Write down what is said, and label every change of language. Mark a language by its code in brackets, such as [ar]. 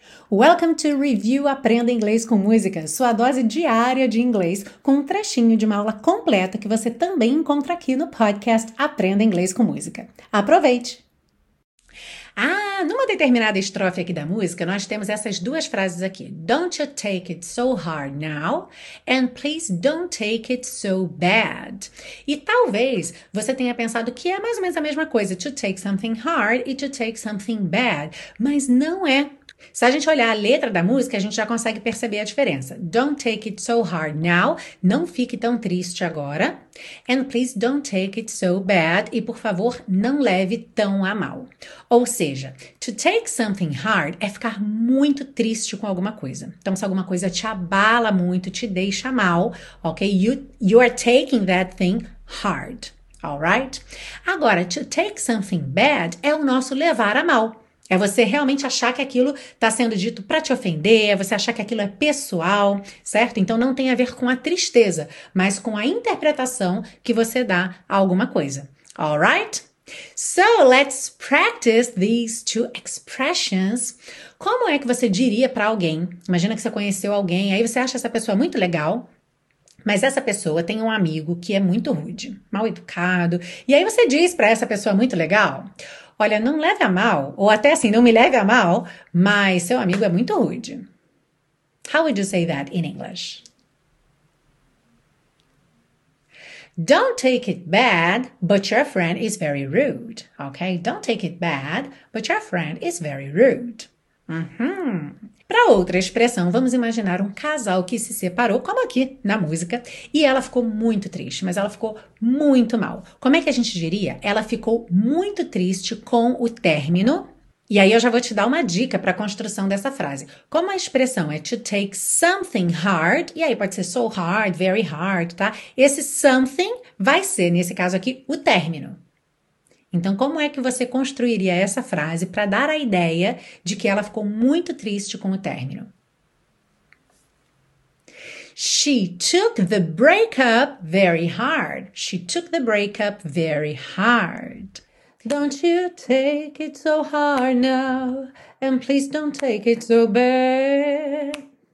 [en] Welcome to Review [pt] Aprenda Inglês com Música, sua dose diária de inglês, com um trechinho de uma aula completa que você também encontra aqui no podcast Aprenda Inglês com Música. Aproveite! Ah, numa determinada estrofe aqui da música, nós temos essas duas frases aqui. [en] Don't you take it so hard now, and please don't take it so bad. [pt] E talvez você tenha pensado que é mais ou menos a mesma coisa, [en] to take something hard [pt] e [en] to take something bad, [pt] mas não é. Se a gente olhar a letra da música, a gente já consegue perceber a diferença. [en] Don't take it so hard now, [pt] não fique tão triste agora. [en] And please don't take it so bad, [pt] e por favor, não leve tão a mal. Ou seja, [en] to take something hard [pt] é ficar muito triste com alguma coisa. Então, se alguma coisa te abala muito, te deixa mal, ok? [en] You are taking that thing hard, alright? [pt] Agora, [en] to take something bad [pt] é o nosso levar a mal. É você realmente achar que aquilo está sendo dito para te ofender, é você achar que aquilo é pessoal, certo? Então não tem a ver com a tristeza, mas com a interpretação que você dá a alguma coisa. [en] Alright? So, let's practice these two expressions. [pt] Como é que você diria para alguém? Imagina que você conheceu alguém, aí você acha essa pessoa muito legal, mas essa pessoa tem um amigo que é muito rude, mal educado, e aí você diz para essa pessoa muito legal: olha, não leve a mal, ou até assim, não me leve a mal, mas seu amigo é muito rude. [en] How would you say that in English? Don't take it bad, but your friend is very rude. Okay? Don't take it bad, but your friend is very rude. Uhum. [pt] Para outra expressão, vamos imaginar um casal que se separou, como aqui na música, e ela ficou muito triste, mas ela ficou muito mal. Como é que a gente diria? Ela ficou muito triste com o término. E aí eu já vou te dar uma dica para a construção dessa frase. Como a expressão é [en] to take something hard, [pt] e aí pode ser [en] so hard, very hard, [pt] tá? Esse something vai ser, nesse caso aqui, o término. Então, como é que você construiria essa frase para dar a ideia de que ela ficou muito triste com o término? [en] She took the breakup very hard. She took the breakup very hard. Don't you take it so hard now, and please don't take it so bad.